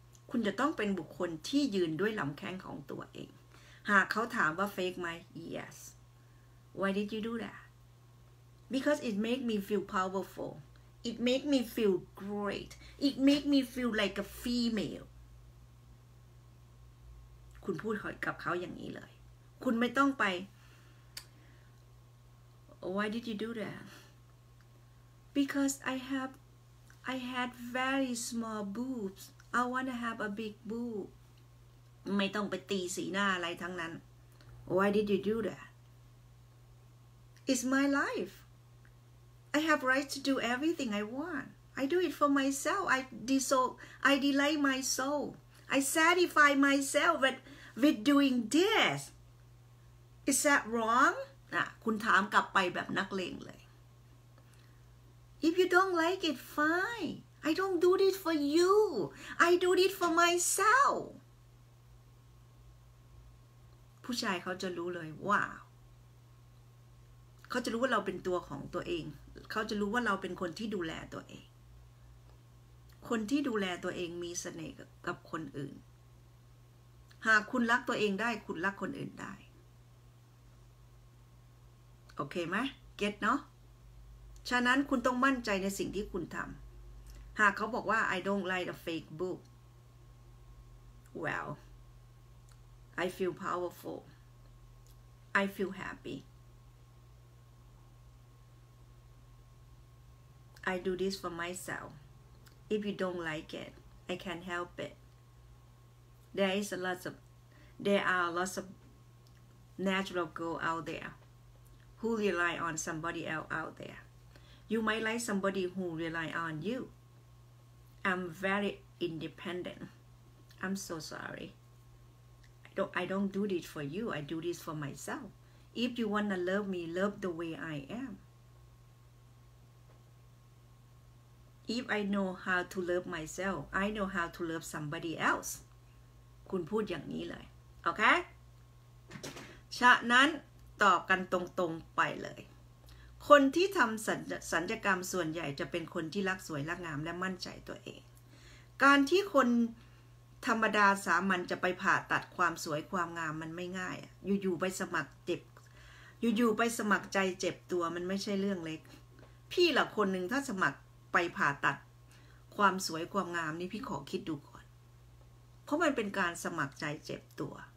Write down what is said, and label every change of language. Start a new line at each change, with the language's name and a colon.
Thai: คุณจะต้องเป็นบุคคลที่ยืนด้วยลำแข้งของตัวเองหากเขาถามว่า fake ไหม
English: yes why did you do that because it make me feel powerful it make me feel great it make me feel like a female
Thai: คุณพูดกับเขาอย่างนี้เลยคุณไม่ต้องไป
English: Why did you do that? Because I had very small boobs. I want to have a big boob.
Thai: ไม่ต้องไปตีสีหน้าอะไรทั้งนั้น.
English: Why did you do that? It's my life. I have right to do everything I want. I do it for myself. I delight my soul. I satisfy myself with doing this. Is that wrong?
Thai: น่ะคุณถามกลับไปแบบนักเลงเลย
English: If you don't like it, fine. I don't do this for you. I do this for myself.
Thai: ผู้ชายเขาจะรู้เลยว่าเขาจะรู้ว่าเราเป็นตัวของตัวเองเขาจะรู้ว่าเราเป็นคนที่ดูแลตัวเองคนที่ดูแลตัวเองมีเสน่ห์กับคนอื่นหากคุณรักตัวเองได้คุณรักคนอื่นได้ โอเคไหมเก็ตเนาะฉะนั้นคุณต้องมั่นใจในสิ่งที่คุณทำหากเขาบอกว่า
English: I don't like a fake book well I feel powerful I feel happyI do this for myself. If you don't like it, I can't help it. There are lots of natural girls out there who rely on somebody else out there. You might like somebody who rely on you. I'm very independent. I'm so sorry. I don't do this for you. I do this for myself. If you wanna love me, love the way I am. If I know how to love myself, I know how to love somebody else.
Thai: คุณพูดอย่างนี้เลยโอเคฉะนั้นตอบกันตรงๆไปเลยคนที่ทำสัญญกรรมส่วนใหญ่จะเป็นคนที่รักสวยรักงามและมั่นใจตัวเองการที่คน ธรรมดาสามัญจะไปผ่าตัดความสวยความงามมันไม่ง่ายอยู่ๆไปสมัครเจ็บอยู่ๆไปสมัครใจเจ็บตัวมันไม่ใช่เรื่องเล็กพี่ล่ะคนนึงถ้าสมัครไปผ่าตัดความสวยความงามนี่พี่ขอคิดดูก่อนเพราะมันเป็นการสมัครใจเจ็บตัว